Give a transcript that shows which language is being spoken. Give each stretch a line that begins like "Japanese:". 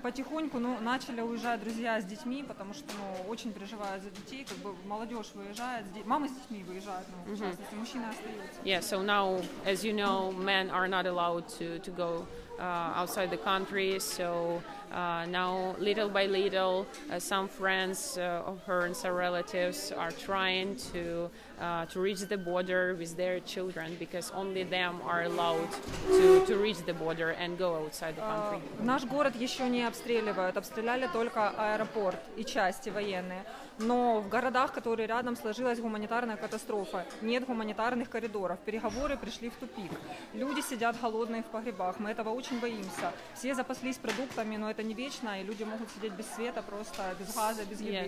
Russian: Потихоньку, ну, начали уезжать друзья с детьми, потому что, ну, очень переживают за детей, как бы молодежь выезжает, мамы с детьми выезжают, ну, mm-hmm. в частности, мужчины остаются.
English: Yeah, so now, as you know, men are not allowed to go outside the country, so now, little by little, some friends of her and some relatives are trying to reach the border with their children, because only them are allowed to reach the border and go outside the country.
Russian: Наш город еще не обстреливают, обстреляли только аэропорт и части военные. Но в городах, которые рядом, сложилась гуманитарная катастрофа. Нет гуманитарных коридоров. Переговоры пришли в тупик. Люди сидят голодные в погребах. Мы этого очень боимся. Все запаслись продуктами, но это не вечно, и люди могут сидеть без света, просто без газа, без еды,